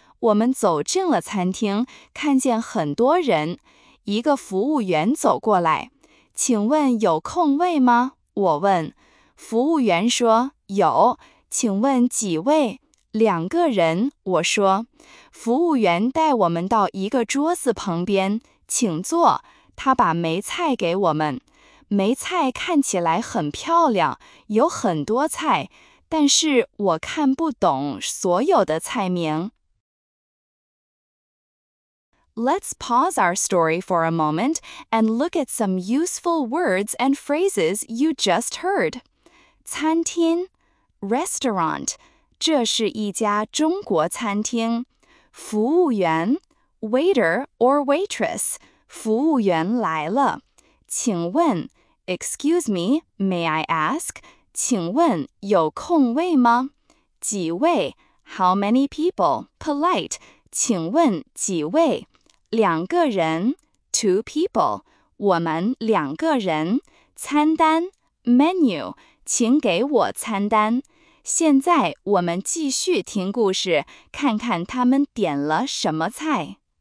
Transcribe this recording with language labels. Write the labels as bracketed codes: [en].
[zh] 我们走进了餐厅，看见很多人，一个服务员走过来，请问有空位吗？我问，服务员说有，请问几位？两个人，我说，服务员带我们到一个桌子旁边，请坐。他把梅菜给我们，梅菜看起来很漂亮，有很多菜，但是我看不懂所有的菜名。 [en] Let's pause our story for a moment and look at some useful words and phrases you just heard. [zh] 餐厅, restaurant, 这是一家中国餐厅. 服务员, [en] waiter or waitress, [zh] 服务员来了. 请问, [en] excuse me, may I ask, [zh] 请问有空位吗? 几位, [en] how many people, polite, [zh] 请问几位? 两个人, [en] two people, [zh] 我们两个人, 餐单, menu, 请给我餐单。现在我们继续听故事, 看看他们点了什么菜。